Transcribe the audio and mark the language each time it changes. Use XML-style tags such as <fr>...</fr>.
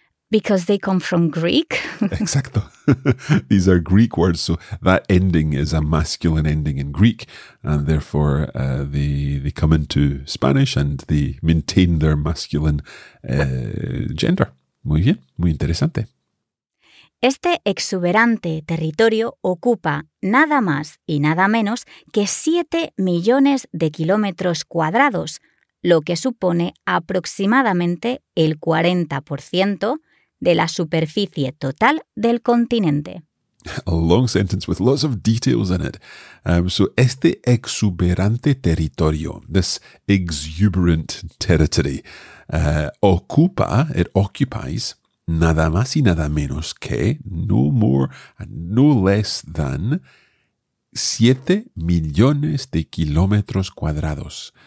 <en>Because they come from Greek.</en> <es>Exacto.</es> <en>These are Greek words, so that ending is a masculine ending in Greek, and therefore they come into Spanish and they maintain their masculine gender.</en> <es>Muy bien, muy interesante. Este exuberante territorio ocupa nada más y nada menos que 7 millones de kilómetros cuadrados, lo que supone aproximadamente el 40% de la superficie total del continente.</es> <en>A long sentence with lots of details in it.</en> <es>So, este exuberante territorio,</es> <en>this exuberant territory,</en> <es>ocupa,</es> <en>it occupies,</en> <es>nada más y nada menos que,</es> <en>no more and no less than,</en> <es>7 millones de kilómetros cuadrados.</es>